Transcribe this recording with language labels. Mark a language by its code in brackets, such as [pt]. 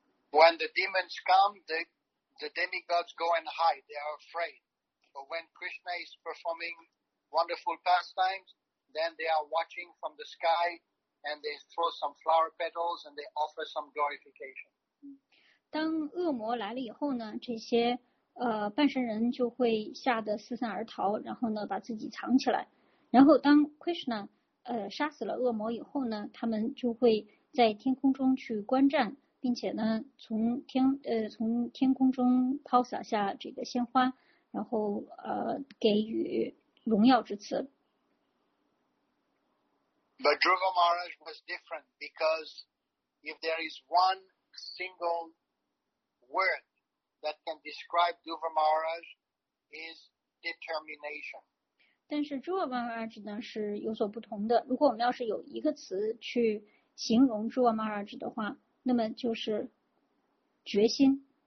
[en] When the demons come, the demigods go and hide. They are afraid. But when Krishna is performing wonderful pastimes, then they are watching from the sky, and they throw some flower petals and they offer some glorification. [zh] 当恶魔来了以后呢，这些半神人就会吓得四散而逃，然后呢把自己藏起来，然后当 Krishna 杀死了恶魔以后呢，他们就会在天空中去观战，并且呢从天空中抛洒下这个鲜花，然后给予荣耀之词。 [en] But Dhruva Maharaj was different because if there is one single wordthat can describe Dhruva Maharaj is determination. [zh] 但是 Dhruva Maharaj 呢是有所不同的。如果我们要是有一个词去形容 Dhruva Maharaj 的话，那么就是决心。